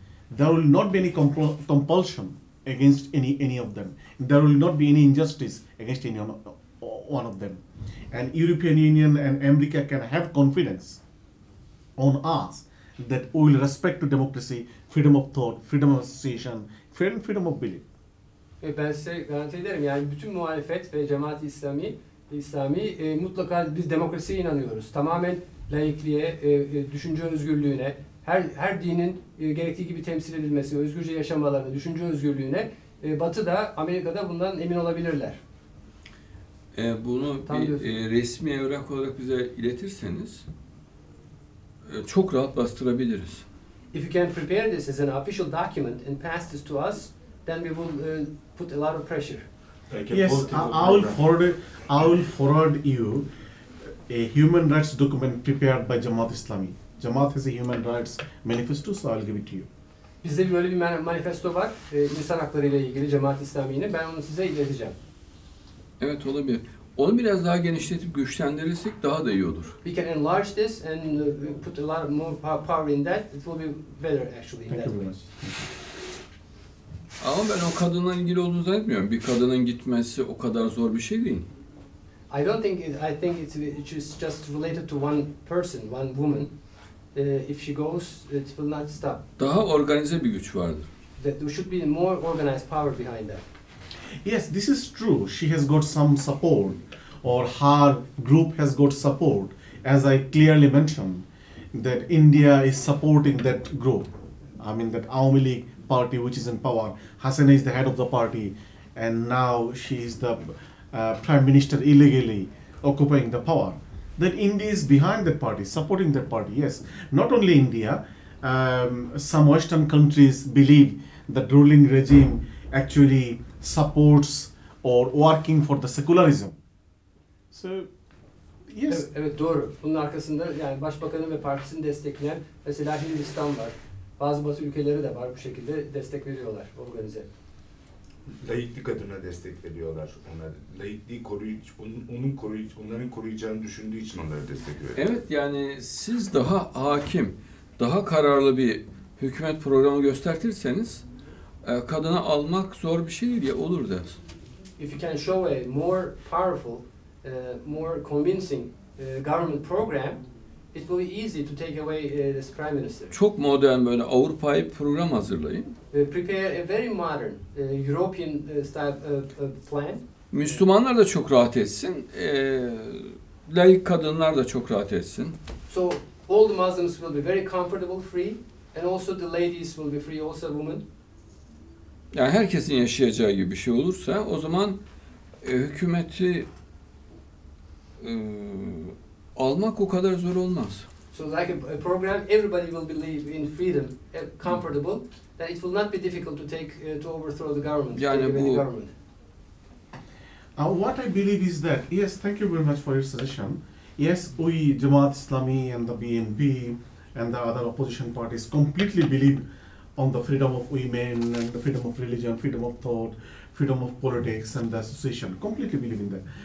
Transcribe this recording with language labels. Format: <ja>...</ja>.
<en>There will not be any compulsion against any of them. There will not be any injustice against any one of them. And European Union and America can have confidence on us that we will respect to democracy, freedom of thought, freedom of association, freedom of belief.</en> <tr>Ben size garanti ederim yani bütün muhalefet ve cemaat-i İslami mutlaka biz demokrasiye inanıyoruz. Tamamen laikliğe, düşünce özgürlüğüne, her dinin gerektiği gibi temsil edilmesi, özgürce yaşamalarına, düşünce özgürlüğüne Batı da Amerika'da bundan emin olabilirler. Bunu tam bir resmi evrak olarak bize iletirseniz çok rahat bastırabiliriz.</tr> <en>If you can prepare this as an official document and pass this to us, then we will put a lot of pressure. Yes, I will forward you a human rights document prepared by Jamaat Islami. Jamaat has a human rights manifesto, so I'll give it to you.</en> <tr>Bizde böyle bir manifesto var, insan hakları ile ilgili Jamaat İslami'nin. Ben onu size ileteceğim. Evet, olabilir. Onu biraz daha genişletip güçlendirirsek daha da iyi olur.</tr> <en>We can enlarge this and put a lot more power in that. It will be better actually in Thank that way. Very much.</en> <tr>Ama ben o kadınla ilgili olduğunu zannetmiyorum. Bir kadının gitmesi o kadar zor bir şey değil.</tr> <en>I don't think it, I think it's just related to one person, one woman. If she goes, it will not stop.</en> <tr>Daha organize bir güç vardır.</tr> <en>That there should be more organized power behind that. Yes, this is true. She has got some support, or her group has got support, as I clearly mentioned, that India is supporting that group. I mean that Awami League party which is in power. Hasina is the head of the party and now she is the prime minister illegally occupying the power. Then India is behind that party, supporting that party, yes. Not only India, some Western countries believe that ruling regime actually supports or working for the secularism. So, yes.</en> <tr>Evet, doğru. Bunun arkasında yani başbakanın ve partisini destekleyen mesela Hindistan var. Bazı Batı ülkeleri de var bu şekilde destek veriyorlar organize. Laiklik adına destek veriyorlar ona. Laikliği koruyucu, onların koruyacağını düşündüğü için onları destek veriyorlar. Evet, yani siz daha hakim, daha kararlı bir hükümet programı göstertirseniz kadına almak zor bir şey değil ya, olur der.</tr> <en>If you can show a more powerful, more convincing government program, it will be easy to take away this prime minister.</en> <tr>Çok modern böyle Avrupa'yı program hazırlayın.</tr> <en>Prepare a very modern European style plan.</en> <tr>Müslümanlar da çok rahat etsin. Laik kadınlar da çok rahat etsin.</tr> <en>So all the Muslims will be very comfortable, free. And also the ladies will be free, also women.</en> <tr>Yani herkesin yaşayacağı gibi bir şey olursa, o zaman hükümeti almak o kadar zor olmaz.</tr> <en>So like a program, everybody will believe in freedom, comfortable, that it will not be difficult to take to overthrow the government.</en> <tr>Yani bu.</tr> <en>And what I believe is that, yes, thank you very much for your suggestion. Yes, we, Jamaat Islami and the BNP and the other opposition parties completely believe on the freedom of women, and the freedom of religion, freedom of thought, freedom of politics and the association, completely believe in that.</en>